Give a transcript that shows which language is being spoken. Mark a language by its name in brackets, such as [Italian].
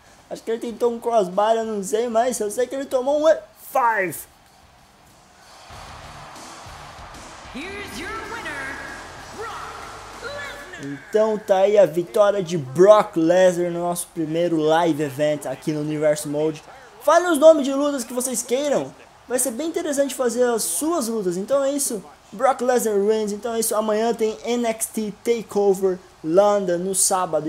[Portuguese] Acho que ele tentou um crossbar, eu não sei, mas eu sei que ele tomou um F5. [English] Here's your winner, Brock Lesnar. [Portuguese] Então tá aí a vitória de Brock Lesnar no nosso primeiro live event aqui no Universo Mode. Fale os nomes de lutas que vocês queiram. Vai ser bem interessante fazer as suas lutas, então é isso. [English] Brock Lesnar wins. [Portuguese] Então é isso, amanhã tem NXT TakeOver London no sábado.